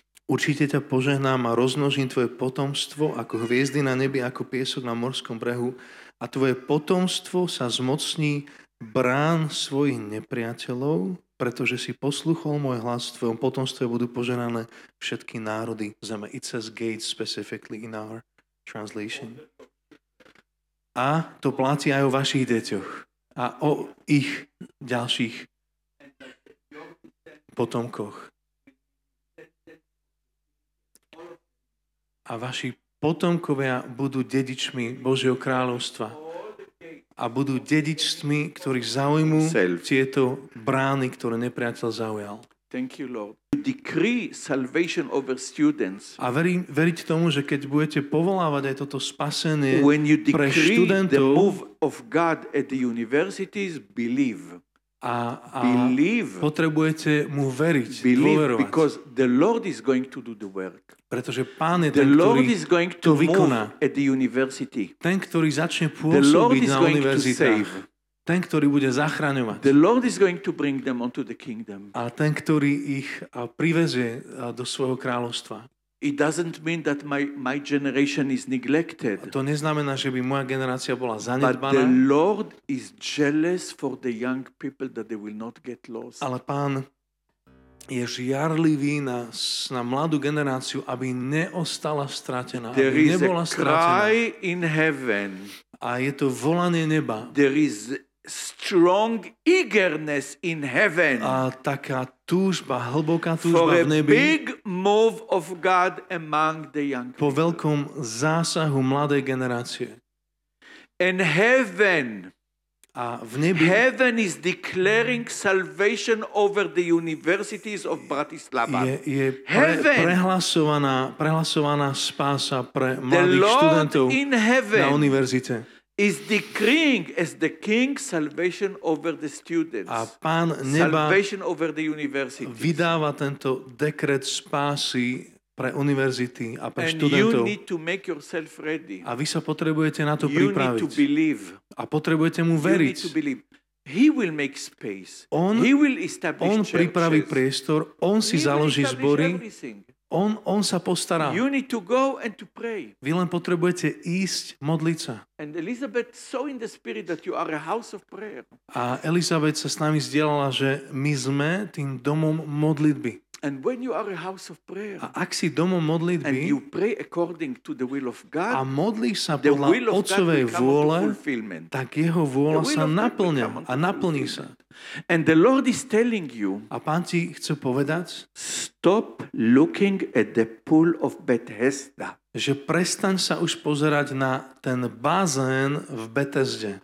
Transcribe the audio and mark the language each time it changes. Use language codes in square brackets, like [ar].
[sk] Určite ťa požehnám a rozmnožím tvoje potomstvo ako hviezdy na nebi, ako piesok na morskom brehu a tvoje potomstvo sa zmocní brán svojich nepriateľov, pretože si posluchol môj hlas, v tvojom potomstve budú požehnané všetky národy zeme. [en] It says gates specifically in our translation. [sk] A to platí aj o vašich deťoch a o ich ďalších potomkoch. A vaši potomkovia budú dedičmi Božieho kráľovstva. A budú dedičstmi, ktorí zaujmú tieto brány, ktoré nepriateľ zaujal. [en] Thank you, Lord. You decree salvation over students. [sk] A veriť tomu, že keď budete povolávať aj toto spasenie pre študentov, [en] the move of God at the universities, believe. [sk] A believe. Potrebujete mu veriť, [en] believe, [sk] dôverovať. [en] Because the Lord is going to do the work. [sk] Pretože Pán je ten, [en] the Lord [sk] ktorý [en] is going [sk] to vykoná. [en] Move at the university. [sk] Ten, ktorý začne pôsobiť na univerzitách. Ten, ktorý bude zachraňovať. [en] The Lord is going to bring them onto the kingdom. [sk] A ten, ktorý ich privezie do svojho kráľovstva. [en] It doesn't mean that my generation is neglected. [sk] To neznamená, že by moja generácia bola zanedbaná. [en] But the Lord is jealous for the young people that they will not get lost. [sk] Ale Pán je žiarlivý na mladú generáciu, aby neostala stratená, [en] there [sk] aby nebola stratená. [en] There is a cry in heaven. [sk] A je to volanie neba. [en] There is strong eagerness in heaven. [sk] A taká túžba, hlboká túžba [en] for [sk] v nebi. [en] Big move of God among the young [sk] people. Po veľkom zásahu mladej generácie. [en] In heaven. [sk] A v nebi. [en] Heaven is declaring salvation over the universities of Bratislava. [sk] Je prehlasovaná spása pre mladých študentov na univerzite. [en] Is decreeing as the king salvation over the students. [sk] A pán neba [en] salvation over the university. [sk] Vydáva tento dekret spásy pre univerzity a pre [en] and [sk] študentov. [en] You need to make yourself ready. [sk] A vy sa potrebujete na to [en] you [sk] pripraviť. [en] Need to believe. [sk] A potrebujete mu veriť. [en] You need to believe. He will make space. [sk] On, [en] he will establish [sk] on [en] churches. [sk] Pripraví priestor, on si [en] he [sk] založí zbory. [en] Everything. [sk] On sa postará. [en] You need to go and to pray. [sk] Vy len potrebujete ísť modliť sa. [en] And Elizabeth saw in the spirit that you are a house of prayer. [sk] A Elizabeth sa s nami zdieľala, že my sme tým domom modlitby. [en] And when you are a house of prayer. [sk] A ak si domom modlitby. [en] And you pray according to the will of God. [sk] A modlíš sa podľa Otcovej vôle. Tak jeho vôľa sa naplňa a naplní sa. [en] And the Lord is telling you. [sk] A pán ti chce povedať. [en] Stop looking at the pool of Bethesda. [sk] Že prestaň sa už pozerať na ten bazén v Bethesde.